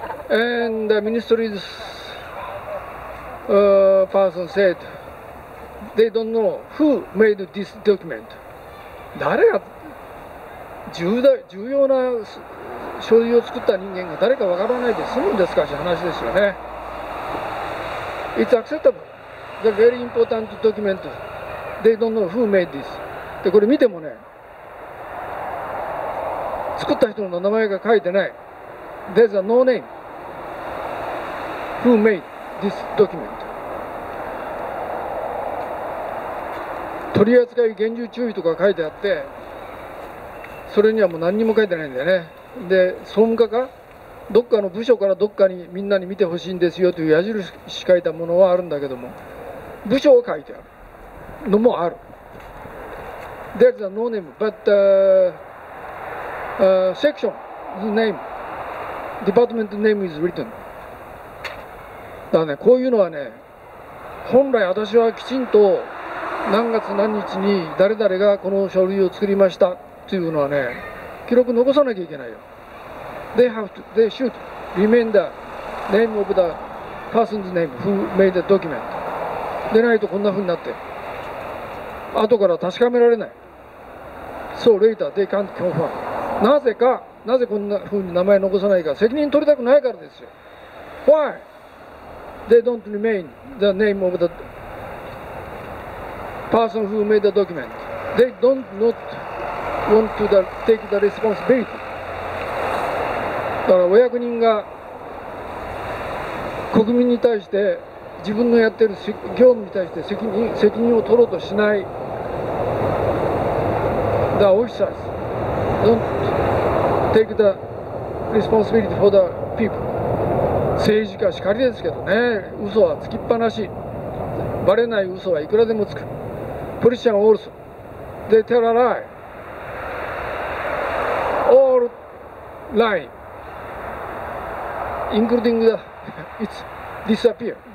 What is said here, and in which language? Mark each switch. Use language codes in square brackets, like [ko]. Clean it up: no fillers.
[en] And the ministry's person said they don't know who made this document. [ja] 誰が重要な書類を作った人間が誰かわからないで済むんですかって話ですよね。 [en] It's acceptable. The very important document. They don't know who made this. [ja] でこれ見てもね、作った人の名前が書いてない。 [en] There's a no name. Who made this document? [ja] 取り扱い厳重注意とか書いてあって、それにはもう何にも書いてないんだよね。で総務課かどっかの部署からどっかにみんなに見てほしいんですよという矢印書いたものはあるんだけども、部署は書いてあるのもある。 [en] There's a no name but section the name department name is written. [ja] だね、こういうのはね、本来私はきちんと何月何日に誰々がこの書類を作りましたっていうのはね、記録残さなきゃいけないよ。 [en] They have to, they should remain the name of the person's name who made the document. [ja] でないとこんな風になって、後から確かめられない。 [en] So later they can't confirm. [ja] なぜか、なぜこんな風に名前残さないか、責任取りたくないからですよ。 [en] Why? They don't remain the name of the person who made the document. They don't not want to take the responsibility. [ja] だからお役人が国民に対して自分のやってる業務に対して責任を取ろうとしない。 [en] The officers don't take the responsibility for the people. [ja] 政治家しかりですけどね、嘘はつきっぱなし。バレない嘘はいくらでもつく。 [en] Politicians also. They tell a lie. All lie. Including the, it's disappear.